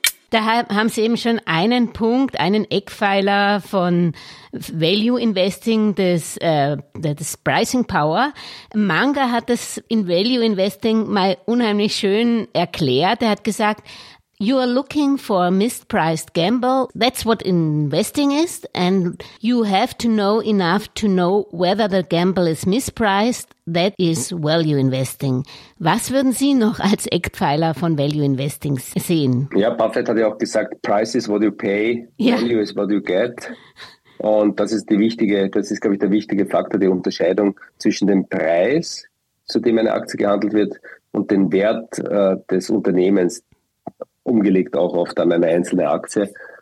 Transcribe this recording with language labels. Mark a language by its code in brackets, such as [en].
[de] Da haben Sie eben schon einen Punkt, einen Eckpfeiler von Value Investing, das Pricing Power. Munger hat das in Value Investing mal unheimlich schön erklärt. Er hat gesagt, [en] you are looking for a mispriced gamble. That's what investing is. And you have to know enough to know whether the gamble is mispriced. That is value investing. [de] Was würden Sie noch als Eckpfeiler von value investing sehen? Ja, Buffett hat ja auch gesagt, [en] price is what you pay, value is what you get. [de] Und das ist, glaube ich, der wichtige Faktor, die Unterscheidung zwischen dem Preis, zu dem eine Aktie gehandelt wird, und dem Wert des Unternehmens, umgelegt auch oft an eine einzelne Aktie.